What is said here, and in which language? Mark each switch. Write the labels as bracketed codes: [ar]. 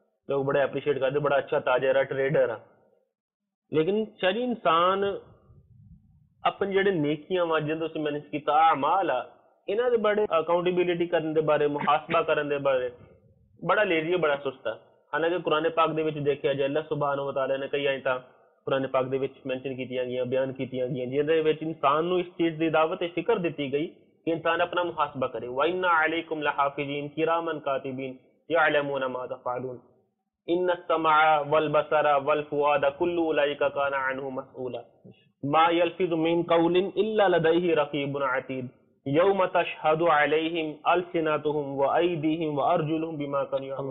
[pa] لوگ بڑے اپریشیٹ کرتے، بڑا اچھا تاجر ہے، ٹریڈر ہے، لیکن شاہ جی انسان اپن جڑے نیکیاں وہاں جن تو اسے مینج کیتا اعمال ہے انہاں دے بڑے اکاؤنٹیبلٹی کرن دے بارے، محاسبہ کرن دے بارے بڑا لیزی ہے، بڑا سست ہے. حالانکہ قرآن پاک دے وچ دیکھیا جائے، اللہ سبحانہ و تعالی نے کئی آیتاں قرآن پاک دے وچ مینشن کیتیاں گیاں، بیان کیتیاں گیاں، جن دے وچ انسان نو اس چیز دی دعوت تے فکر دتی گئی کہ انسان اپنا محاسبہ کرے. [ar] وَإِنَّ عَلَيْكُمْ لَحَافِظِينَ كِرَامًا كَاتِبِينَ يَعْلَمُونَ مَا تَفْعَلُونَ ان السمع والبصر والفؤاد كل اولئك كان عنه مسؤولا ما يلفظ من قول الا لديه رقيب عتيد يوم تشهد عليهم السناتهم وايديهم وارجلهم بما كانوا يعملون.